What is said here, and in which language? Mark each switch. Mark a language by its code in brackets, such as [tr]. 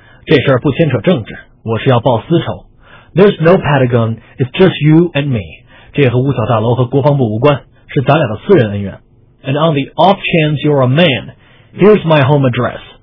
[zh] 这事儿不牵扯政治，我是要报私仇。 [en] There's no Pentagon, it's just you and me. [zh] 这和五角大楼和国防部无关，是咱俩的私人恩怨。 [en] And on the off chance you're a man, here's my home address.